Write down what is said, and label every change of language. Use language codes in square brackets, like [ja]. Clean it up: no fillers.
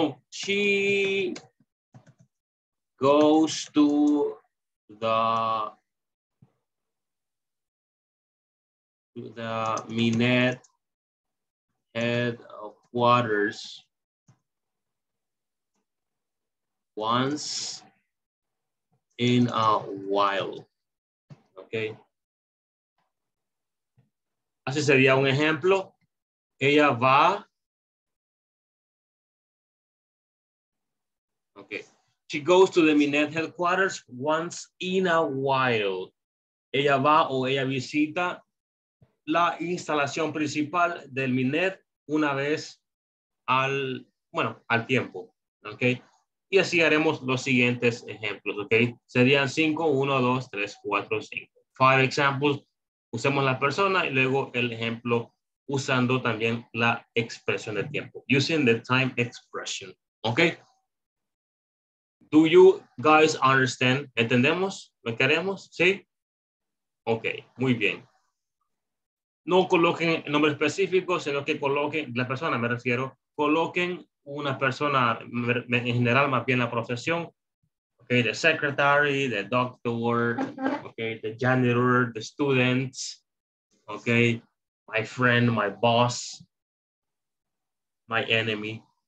[en] She goes to the Minette headquarters once in a while. Okay. [es] Así sería un ejemplo. Ella va. [en] She goes to the Minette headquarters once in a while. [es] Ella va o ella visita la instalación principal del Minette una vez al, bueno, al tiempo. Okay. Y así haremos los siguientes ejemplos. Okay. Serían 5, 1, 2, 3, 4, 5. [en] 5 examples. [es] Usemos la persona y luego el ejemplo usando también la expresión del tiempo. [en] Using the time expression. Okay. Do you guys understand? [es] ¿Entendemos? ¿Lo queremos? ¿Sí? Ok, muy bien. No coloquen el nombre específico, sino que coloquen la persona, me refiero. Coloquen una persona, en general, más bien la profesión. [en] Ok, the secretary, the doctor, ok, the janitor, the students, ok, my friend, my boss, my enemy.